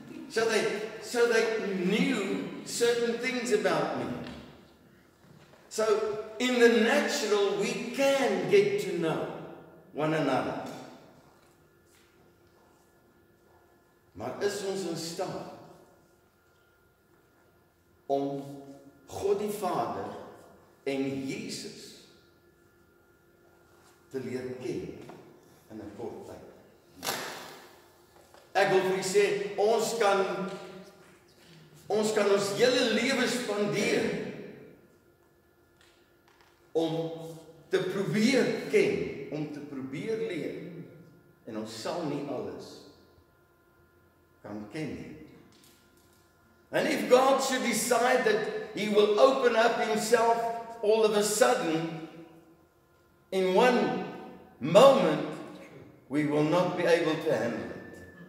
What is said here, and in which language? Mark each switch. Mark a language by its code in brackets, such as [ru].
[en] So they knew certain things about me. So in the natural, we can get to know one another. [af] Maar is ons in staat om God die Vader en Jesus te leer ken in 'n kort tyd. Ek wil vir u sê, ons kan ons hele lewe spandeer om te probeer ken, om te probeer leer, en ons sal nie alles kan ken nie. [en] And if God should decide that he will open up himself all of a sudden in one moment, we will not be able to handle it.